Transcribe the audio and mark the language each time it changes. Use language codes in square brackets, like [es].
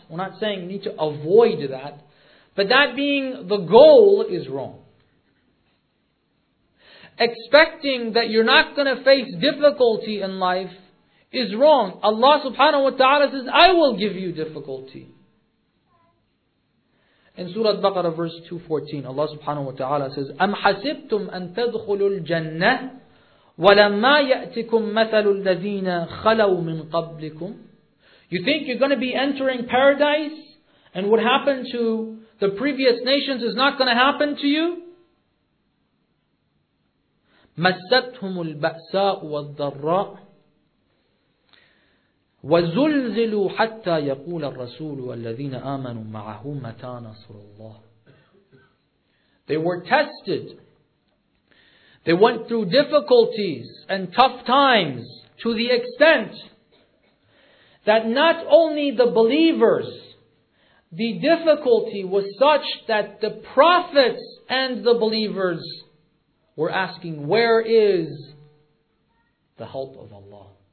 [en] We're not saying you need to avoid that. But that being the goal is wrong. Expecting that you're not going to face difficulty in life is wrong, Allah subhanahu wa ta'ala says, I will give you difficulty. In Surah Baqarah verse 214, Allah subhanahu wa ta'ala says, [ar] أَمْ حَسِبْتُمْ أَن تَدْخُلُوا الْجَنَّةِ وَلَمَّا يَأْتِكُمْ مَثَلُ الَّذِينَ خَلَوْا مِنْ قَبْلِكُمْ. [en] You think you're going to be entering paradise and what happened to the previous nations is not going to happen to you? [ar] مَسَّتْهُمُ الْبَأْسَاءُ وَالضَّرَّاءُ وَزُلْزِلُوا حَتَّى يَقُولَ الرَّسُولُ وَالَّذِينَ آمَنُوا مَعَهُ مَتَى نَصْرُ اللَّهِ. [en] They were tested. They went through difficulties and tough times to the extent that not only the believers, the difficulty was such that the prophets and the believers were asking, where is the help of Allah?